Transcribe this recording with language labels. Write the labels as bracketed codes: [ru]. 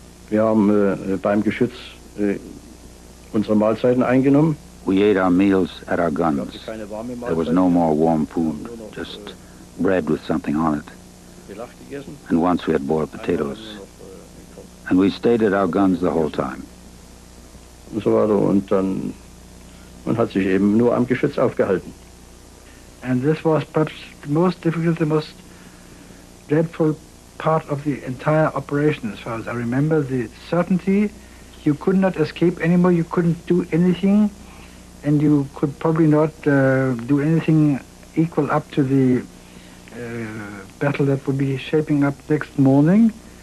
[en] We have, [de] beim Geschütz, unsere Mahlzeiten eingenommen. [en] We ate our meals at our guns. There was no more warm food, just bread with something on it. And once we had boiled potatoes. And we stayed at our guns the whole time. [de] Und so weiter. Und dann, man hat sich eben nur am Geschütz aufgehalten. [en] And this was perhaps the most difficult, the most dreadful part of the entire operation, as far as I remember. The certainty, you could not escape anymore, you couldn't do anything. And you could probably not do anything equal up to the battle that would be shaping up next morning.